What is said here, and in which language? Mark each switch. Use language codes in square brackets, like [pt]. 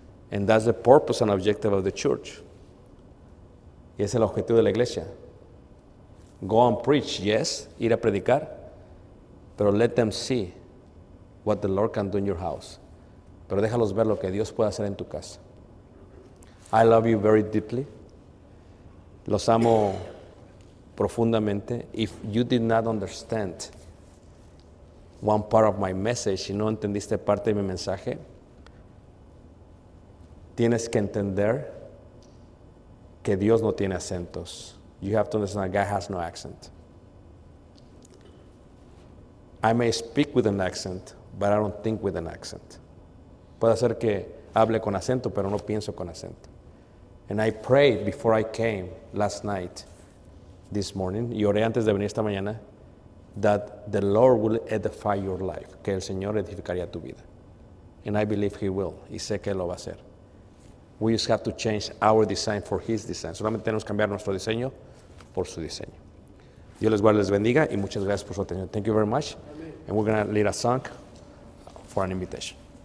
[en] And that's the purpose and objective of the church. [es] Y es el objetivo de la iglesia. [en] Go and preach, yes, [es] ir a predicar. Pero [en] let them see what the Lord can do in your house. [es] Pero déjalos ver lo que Dios puede hacer en tu casa. [en] I love you very deeply. [es] Los amo profundamente. [en] If you did not understand one part of my message, [es] si no entendiste parte de mi mensaje, tienes que entender que Dios no tiene acentos. [en] You have to understand that God has no accent. I may speak with an accent, but I don't think with an accent. [es] Puede ser que hable con acento, pero no pienso con acento. [en] And I prayed before I came last night, this morning, [es] y oré antes de venir esta mañana, [en] that the Lord will edify your life, [es] que el Señor edificaría tu vida. [en] And I believe He will, [es] y sé que lo va a hacer. [en] We just have to change our design for His design. [es] Solamente tenemos que cambiar nuestro diseño por su diseño. Dios les guarde, les bendiga y muchas gracias por su atención. [en] Thank you very much. Amen. And we're going to lead a song for an invitation.